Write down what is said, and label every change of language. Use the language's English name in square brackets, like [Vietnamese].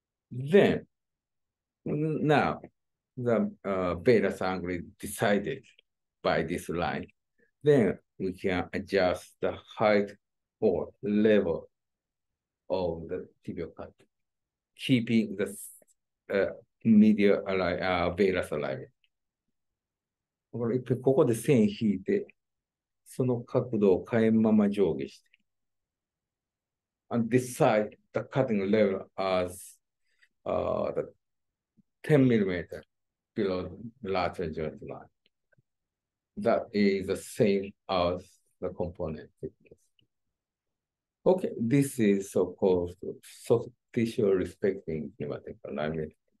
[English] Then, now the beta angle is decided by this line. Then we can adjust the height or level of the tibial cut, keeping the medial valgus alignment. [Japanese] これ一回ここで線引いて、その角度を変えんまま上下して。 [English] And decide the cutting level as the 10 millimeter below the lateral joint line. That is the same as the component thickness. Okay, this is so called soft tissue respecting kinematic alignment.